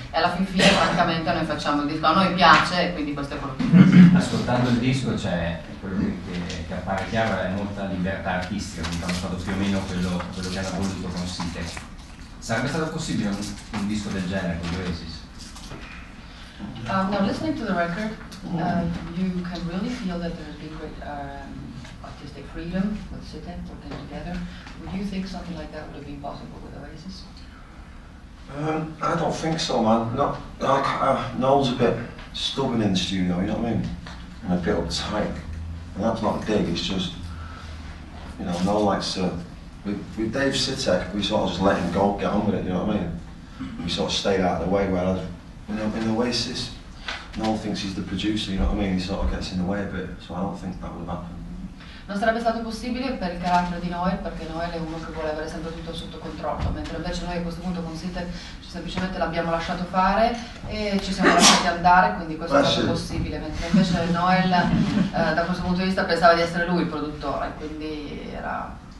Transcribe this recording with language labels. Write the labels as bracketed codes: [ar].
[it] E alla fin fine francamente noi facciamo il disco, a noi piace e quindi questo è quello che piace. Ascoltando il disco c'è quello che appare chiaro, è molta libertà artistica, quindi hanno fatto più o meno quello che hanno voluto con Sinte. Sarebbe stato possibile un disco del genere con Oasis? [en] No, listening to the record, you can really feel that there's been great artistic freedom with Sitek working together. Would you think something like that would have been possible with Oasis? I don't think so, man. Not like Noel's a bit stubborn in the studio, you know what I mean? And a bit uptight. And that's not a dig, it's just, you know, Noel likes to... With Dave Sitek, we sort of just let him go, get on with it, you know what I mean? We sort of stayed out of the way, whereas, you know, in Oasis, Noel thinks he's the producer, you know what I mean? He sort of gets in the way a bit, so I don't think that would happen. [it] Non sarebbe stato possibile per il carattere di Noel, perché Noel è uno che vuole avere sempre tutto sotto controllo, mentre invece noi a questo punto con Sitek semplicemente l'abbiamo lasciato fare e ci siamo lasciati andare, quindi questo è stato possibile, mentre invece Noel, da questo punto di vista, pensava di essere lui il produttore, quindi era...